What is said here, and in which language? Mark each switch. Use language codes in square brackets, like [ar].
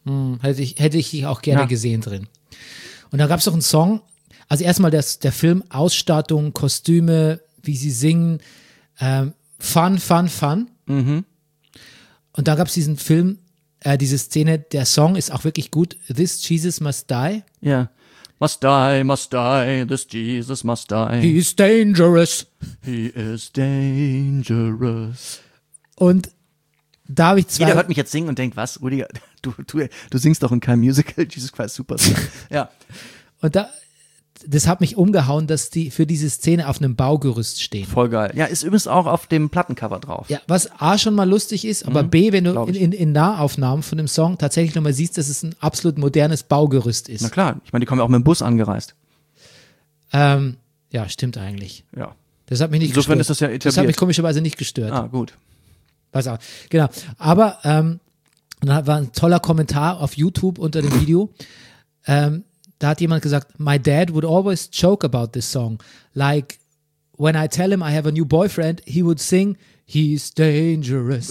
[de] Hm, hätte ich auch gerne gesehen drin. Und da gab es noch einen Song, also erstmal der Film, Ausstattung, Kostüme, wie sie singen, Fun. Mhm. Und da gab es diesen Film, diese Szene, der Song ist auch wirklich gut. [en] This Jesus Must Die. [de] Ja. Yeah. [en] Must die, this Jesus must die. He is dangerous. He is dangerous. [de] Und da habe ich zwei. Jeder hört mich jetzt singen und denkt, was, Rudiger, du singst doch in keinem Musical, Jesus Christ Superstar. Ja. Und das hat mich umgehauen, dass die für diese Szene auf einem Baugerüst stehen. Voll geil. Ja, ist übrigens auch auf dem Plattencover drauf. Ja, was A schon mal lustig ist, aber B, wenn du in Nahaufnahmen von dem Song tatsächlich nochmal siehst, dass es ein absolut modernes Baugerüst ist. Na klar, ich meine, die kommen ja auch mit dem Bus angereist. Ja, stimmt eigentlich. Ja. Das hat mich nicht insofern Insofern ist das ja etabliert. Das hat mich komischerweise nicht gestört. Ah, gut. Weiß auch. Genau. Aber da war ein toller Kommentar auf YouTube unter dem Video. Da hat jemand gesagt, [en] my dad would always joke about this song. Like, when I tell him I have a new boyfriend, he would sing, he's dangerous.